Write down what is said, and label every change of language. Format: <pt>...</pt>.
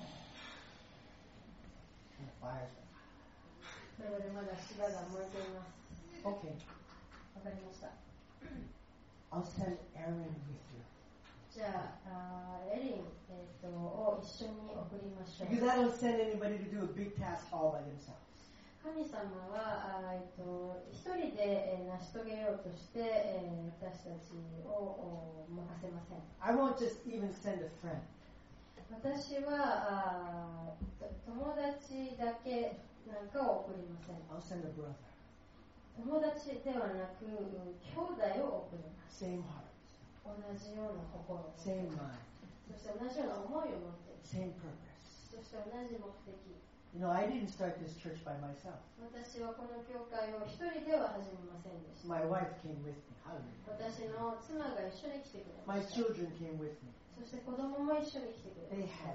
<en>The fire's been hot.</en> <ja>それでまだ芝が燃えています。</ja> <en>Okay.</en> <ja>わかりました。</ja> <en>I'll send Aaron with you.</en> <ja>じゃあ、エリン、を一緒に送りましょう。</ja> <en>Because I don't send anybody to do a big task all by themselves.</en> <ja>神様は、一人で成し遂げようとして、私たちを任せません。</ja> <en>I won't just even send a friend.</en> <ja>私は、友達だけなんかを送りません。</ja> <en>I'll send a brother.</en> <ja>友達ではなく兄弟を送ります。</ja> <en>Same heart.</en> <ja>同じような心を。</ja> <en>Same mind.</en> <ja>そして同じような思いを持っている。</ja> <en>Same purpose.</en> <ja>そして同じ目的。</ja> <en>You know, I didn't start this church by myself.</en> <ja>私はこの教会を一人では始めませんでした。</ja> <en>My wife came with me. Hallelujah.</en> <ja>私の妻が一緒に来てくれました。</ja> <en>My children came with me.</en> <ja>そして子供も一緒に来てくれました。</ja>